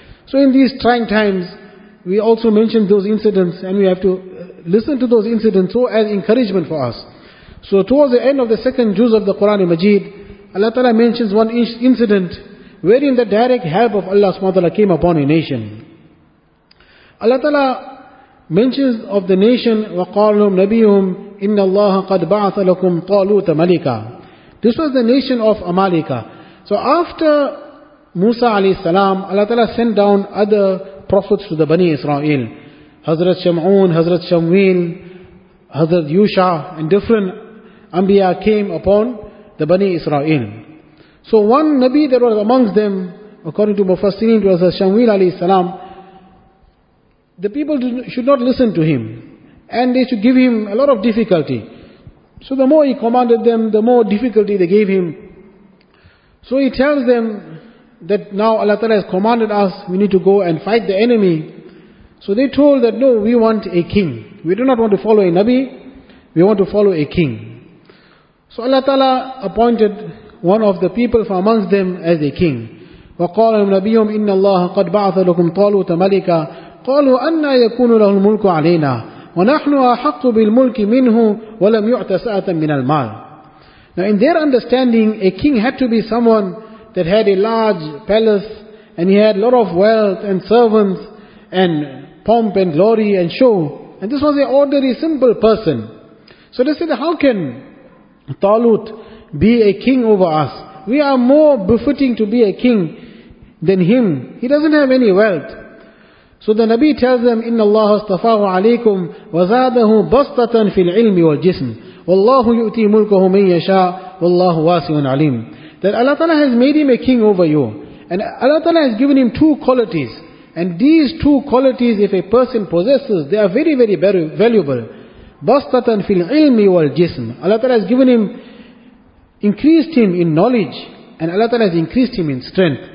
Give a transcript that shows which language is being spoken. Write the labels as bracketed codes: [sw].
[en] So in these trying times, we also mention those incidents and we have to listen to those incidents so as encouragement for us. So towards the end of the second juz of the Quran Majid, Allah Ta'ala mentions one incident wherein the direct help of Allah subhanahu wa ta'ala came upon a nation. Allah Ta'ala mentions of the nation, [ar] وَقَالُهُمْ نَبِيُّهُمْ إِنَّ اللَّهَ قَدْ بَعَثَ لَكُمْ طَالُوتَ مَلِكًا. [en] This was the nation of Amalika. So after Musa alayhi salam, Allah Ta'ala sent down other prophets to the Bani Israel. Hazrat Shamun, Hazrat Shamwil, Hazrat Yusha, and different Anbiya came upon the Bani Israel. So one Nabi that was amongst them, according to Mufassirin, was Hazrat Shamwil alayhi salam. The people should not listen to him, and they should give him a lot of difficulty. So the more he commanded them, the more difficulty they gave him. So he tells them that now Allah Ta'ala has commanded us, we need to go and fight the enemy. So they told that, no, we want a king. We do not want to follow a Nabi, we want to follow a king. So Allah Ta'ala appointed one of the people from amongst them as a king. [ar] وَقَالَ نَبِيُّهُمْ إِنَّ اللَّهَ قَدْ بَعَثَ لَكُمْ طَالُوتَ مَلِكًا. قالوا أن يكون له الملك علينا ونحن أحق بالملك منه ولم يعت سعة من المال. [en] Now in their understanding, a king had to be someone that had a large palace and he had a lot of wealth and servants and pomp and glory and show. And this was an ordinary, simple person. So they said, how can Talut be a king over us? We are more befitting to be a king than him. He doesn't have any wealth. So the Nabi tells them, [ar] إِنَّ اللَّهَ اصْطَفَاهُ عَلَيْكُمْ وَزَادَهُ بَسْطَةً فِي الْعِلْمِ وَالْجِسْمِ وَاللَّهُ يُؤْتِي مُلْكَهُ مَنْ يَشَاءُ وَاللَّهُ وَاسِعٌ عَلِيمٌ. [en] That Allah Ta'ala has made him a king over you. And Allah Ta'ala has given him two qualities. And these two qualities, if a person possesses, they are very, very, very valuable. [ar] بَسْطَةً فِي الْعِلْمِ وَالْجِسْمِ. [en] Allah Ta'ala has given him, increased him in knowledge, and Allah Ta'ala has increased him in strength.